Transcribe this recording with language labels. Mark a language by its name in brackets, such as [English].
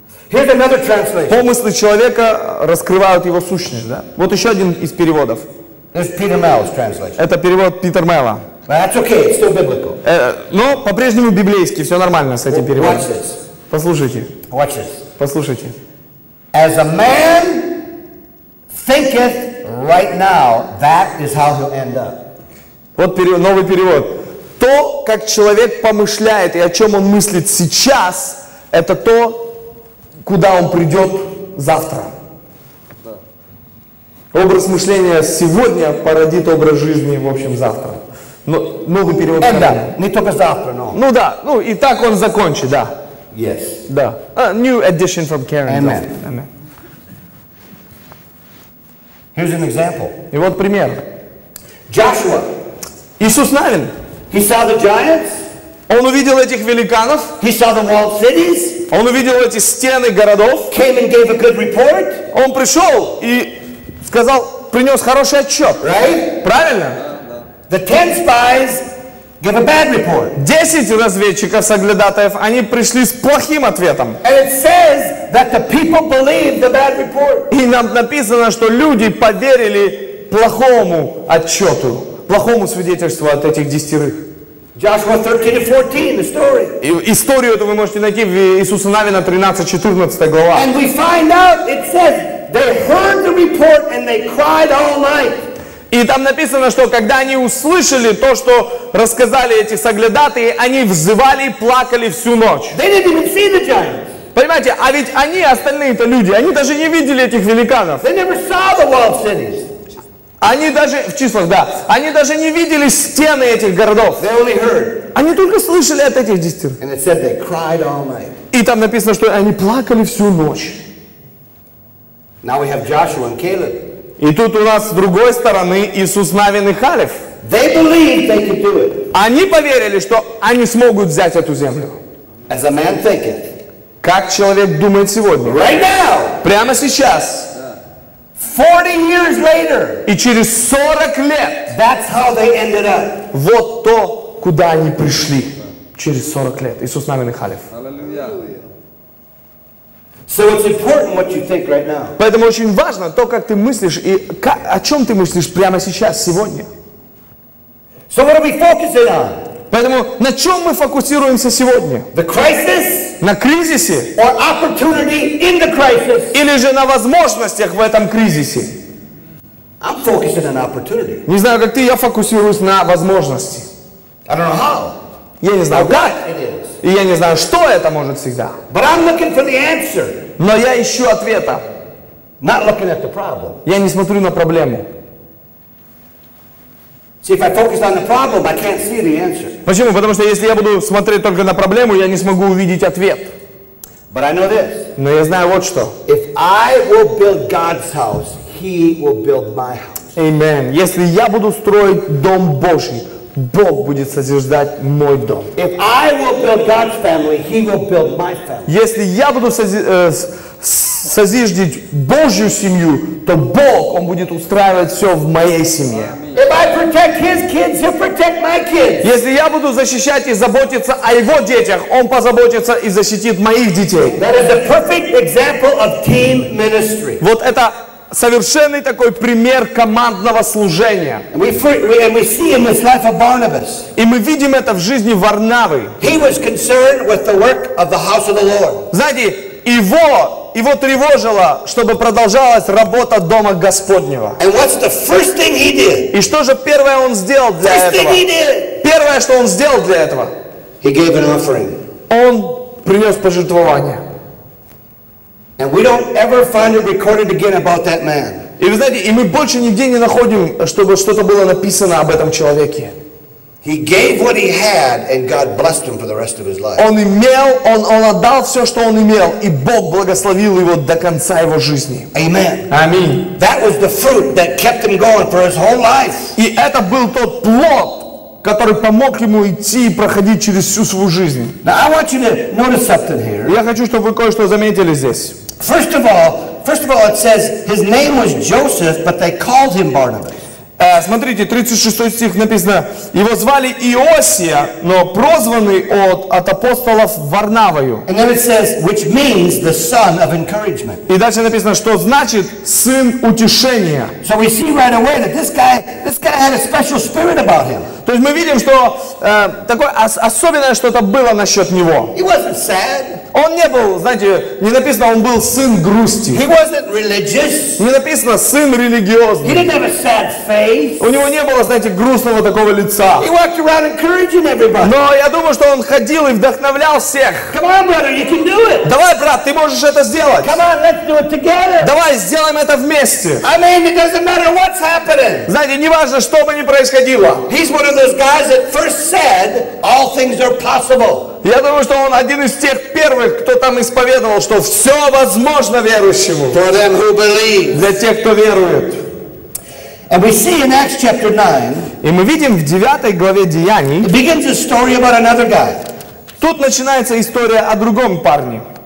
[English] Here's another translation. [Russian] Помыслы человека раскрывают его сущность, да? Вот еще один из переводов. [English] This is Peter Mell's translation. [Russian] Это перевод Питера Мелла. [English] That's okay, it's still biblical. [Russian] Но по-прежнему библейский, все нормально с этим переводом. [English] Watch this. [Russian] Послушайте. [English] Watch this. [Russian] Послушайте. [English] As a man thinketh right now, that is how he'll end up. [Russian] Вот перевод, новый перевод. То, как человек помышляет и о чем он мыслит сейчас, это то, куда он придет завтра. Образ мышления сегодня породит образ жизни, в общем, завтра. Но новый перевод. Да, не только завтра, но. Ну да, ну и так он закончит, да. [English] Yes. Да. New edition from Karen. Amen. Amen. Here's an example. [Russian] И вот пример. [English] Joshua. [Russian] Иисус Навин. [English] He saw the giants. [Russian] Он увидел этих великанов. [English] He saw the walled cities. [Russian] Он увидел эти стены городов. [English] Came and gave a good report. [Russian] Он пришел и сказал, принес хороший отчет. [English] Right? [Russian] Правильно? [English] The 10 spies give a bad report. [Russian] 10 разведчиков, соглядатаев, они пришли с плохим ответом. [English] And it says that the people believed the bad report. [Russian] И нам написано, что люди поверили плохому отчету, плохому свидетельству от этих десятерых. [English] Joshua 13:14, the story. [Russian] И историю эту вы можете найти в Иисуса Навина 13:14 глава. [English] And we find out, it says, they heard the report and they cried all night. [Russian] И там написано, что когда они услышали то, что рассказали эти соглядатаи, они взывали и плакали всю ночь. [English] They didn't even see the giants. [Russian] Понимаете, а ведь они, остальные-то люди, они даже не видели этих великанов. [English] They never saw the walled cities. [Russian] Они даже, в числах, да, они даже не видели стены этих городов. [English] They only heard. [Russian] Они только слышали от этих десятерых. [English] And it said they cried all night. [Russian] И там написано, что они плакали всю ночь. [English] Now we have Joshua and Caleb. [Russian] И тут у нас с другой стороны Иисус Навин и Халев. [English] They believed they could do it. [Russian] Они поверили, что они смогут взять эту землю. [English] As a man thinketh. [Russian] Как человек думает сегодня. [English] Right now. [Russian] Прямо сейчас. [English] 40 years later. [Russian] И через 40 лет. [English] That's how they ended up. [Russian] Вот то, куда они пришли. Через 40 лет Иисус Навин и Халев. [English] So it's important what you think right now. [Russian] Поэтому очень важно то, как ты мыслишь и о чем ты мыслишь прямо сейчас, сегодня. [English] So what are we focusing on? [Russian] Поэтому на чем мы фокусируемся сегодня? [English] The crisis? [Russian] На кризисе? [English] Or opportunity in the crisis? [Russian] Или же на возможностях в этом кризисе? [English] I'm focusing on opportunity. [Russian] Не знаю, как ты, я фокусируюсь на возможности. [English] I don't know how. [Russian] Я не знаю, как. И я не знаю, что это может всегда. [English] But I'm looking for the answer. [Russian] Но я ищу ответа. [English] Not looking at the problem. [Russian] Я не смотрю на проблему. [English] See, if I focus on the problem, I can't see the answer. [Russian] Почему? Потому что если я буду смотреть только на проблему, я не смогу увидеть ответ. [English] But I know this. [Russian] Но я знаю вот что. [English] If I will build God's house, He will build my house. Amen. [Russian] Если я буду строить дом Божий, Бог будет созидать мой дом. [English] If I will build God's family, He will build my family. [Russian] Если я буду созиждать Божью семью, то Бог, Он будет устраивать все в моей семье. [English] If I protect His kids, He'll protect my kids. [Russian] Если я буду защищать и заботиться о Его детях, Он позаботится и защитит моих детей. [English] That is a perfect example of team ministry. [Russian] Вот это совершенный такой пример командного служения. И мы видим это в жизни Варнавы. Знаете, его тревожило, чтобы продолжалась работа Дома Господнего. И что же первое он сделал для этого? Первое, что он сделал для этого, он принес пожертвование. [English] And we don't ever find it recorded again about that man. [Russian] И вы знаете, и мы больше нигде не находим, чтобы что-то было написано об этом человеке. [English] He gave what he had, and God blessed him for the rest of his life. [Russian] Он имел, он отдал все, что он имел, и Бог благословил его до конца его жизни. [English] Amen. [Russian] Аминь. [English] That was the fruit that kept him going for his whole life. [Russian] И это был тот плод, который помог ему идти и проходить через всю свою жизнь. [English] Now I want you to notice something here. [Russian] Я хочу, чтобы вы кое-что заметили здесь. [English] First of all, it says his name was Joseph, but they called him Barnabas. [Russian] Смотрите, 36 стих написано: его звали Иосия, но прозванный от апостолов Варнавою. [English] And then it says, which means the son of encouragement. [Russian] И дальше написано, что значит сын утешения. [English] So we see right away that this guy had a special spirit about him. [Russian] То есть мы видим, что такое особенное что-то было насчет него. [English] He wasn't sad. [Russian] Он не был, знаете, не написано, он был сын грусти. [English] He wasn't religious. [Russian] Не написано, сын религиозный. [English] He didn't have a sad face. [Russian] У него не было, знаете, грустного такого лица. [English] He walked around encouraging everybody. [Russian] Но я думаю, что он ходил и вдохновлял всех. [English] Come on, brother, you can do it. [Russian] Давай, брат, ты можешь это сделать. [English] Come on, let's do it together. [Russian] Давай, сделаем это вместе. [English] I mean, it doesn't matter what's happening. [Russian] Знаете, не важно, что бы ни происходило. [English] He's one of those guys that first said, all things are possible. [Russian] Я думаю, что он один из тех первых, кто там исповедовал, что все возможно верующему. [English] For them who believe. [Russian] Для тех, кто верует. [English] And we see in Acts chapter 9, [Russian] и мы видим в 9 главе Деяний, [English] it begins a story about another guy. [Russian] Тут начинается история о другом парне.